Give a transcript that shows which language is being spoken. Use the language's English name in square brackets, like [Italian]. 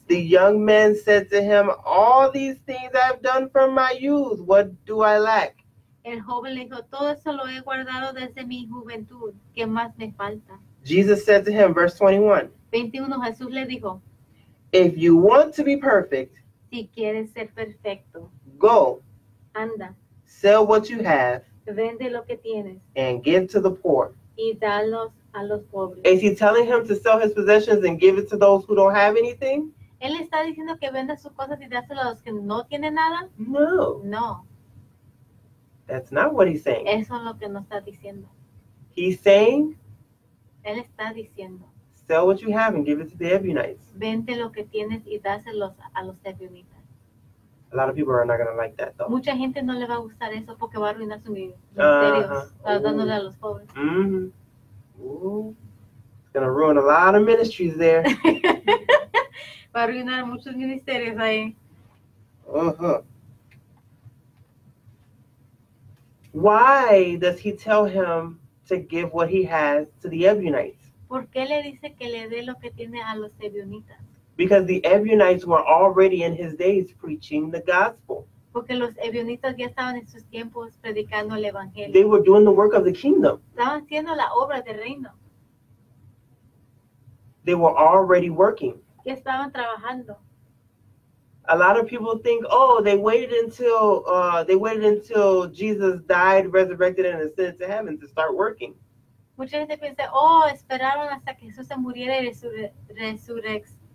[English] The young man said to him, all these things I have done from my youth. What do I lack? [Spanish] El joven le dijo, todo eso lo he guardado desde mi juventud. ¿Qué más me falta? [English] Jesus said to him, verse 21. [Spanish] 21, Jesús le dijo, [English] if you want to be perfect, [Spanish] si quieres ser perfecto, [English] go. [Spanish] Anda. [English] Sell what you have. [Spanish] Vende lo que tienes. [English] And give to the poor. [Spanish] Y dalos a los pobres. [English] Is he telling him to sell his possessions and give it to those who don't have anything? [Spanish] Él está diciendo que venda sus cosas y dáselo a los que no tienen nada? [English] No. [Spanish] No. [English] That's not what he's saying. [Spanish] Eso es lo que no está diciendo. [English] He's saying, [Spanish] él está diciendo, [English] sell what you have and give it to the Ebionites. [Spanish] Vende lo que tienes y dáselo a los Ebionites. [English] A lot of people are not going to like that, though. [Spanish] Mucha gente no le va a gustar eso porque va a arruinar su ministerio. Dándole a los pobres. Mm-hmm. Ooh. [English] It's going to ruin a lot of ministries there. [Spanish] Va a arruinar muchos ministerios ahí. Uh-huh. [English] Why does he tell him to give what he has to the Ebionites? [Spanish] ¿Por qué le dice que le dé lo que tiene a los Ebionitas? [English] Because the Ebionites were already in his days preaching the gospel. [Spanish] Porque los Ebionitas ya estaban en sus tiempos predicando el evangelio. [English] They were doing the work of the kingdom. [Spanish] Estaban haciendo la obra del reino. [English] They were already working. [Spanish] Ya estaban trabajando. [English] A lot of people think, oh, they waited until Jesus died, resurrected, and ascended to heaven to start working. [Spanish] Mucha gente piensa, oh, esperaron hasta que Jesús se muriera y resurrección.